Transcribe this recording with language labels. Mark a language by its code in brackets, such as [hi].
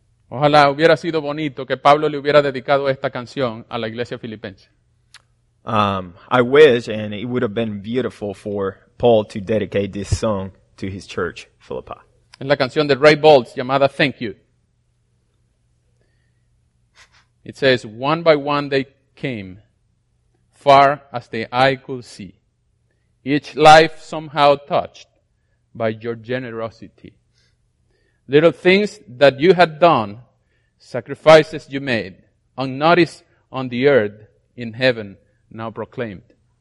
[es] Ojalá hubiera sido bonito que Pablo le hubiera dedicado esta canción a la iglesia filipense. [en] I wish, and it would have been beautiful for Paul to dedicate this song to his church, Philippi. [es] Es la canción de Ray Bolts llamada Thank You. [en] It says, one by one they came, far as the eye could see, each life somehow touched by your generosity. Little things that you had done, sacrifices you made, unnoticed on the earth, in heaven, now proclaimed.